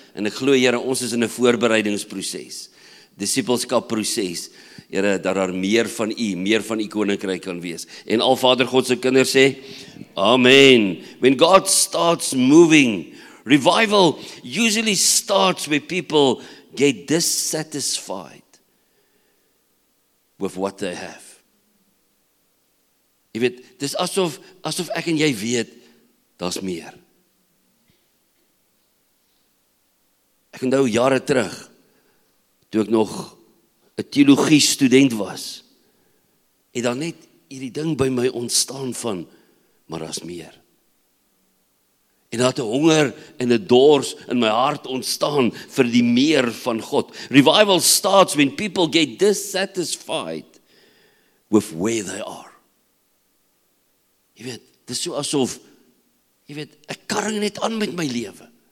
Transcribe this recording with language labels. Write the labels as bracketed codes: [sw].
[af] En ek glo, Here, ons is in 'n voorbereidingsproses. Disippelskap proses. Here, dat daar meer van u, meer van u koninkryk kan wees. En al Vader God se kinders sê, Amen. [en] When God starts moving, revival usually starts where people get dissatisfied with what they have. [af] Jy weet, dis asof ek en jy weet, daar's meer. Ek onthou jare terug, toe ek nog een theologie student was, het dan net hierdie ding by my ontstaan van, maar daar's meer. En daar het 'n honger en 'n dors in my hart ontstaan vir die meer van God. [en] Revival starts when people get dissatisfied with where they are. [af] Jy weet, dit is so asof, jy weet, ek karring net aan met my lewe.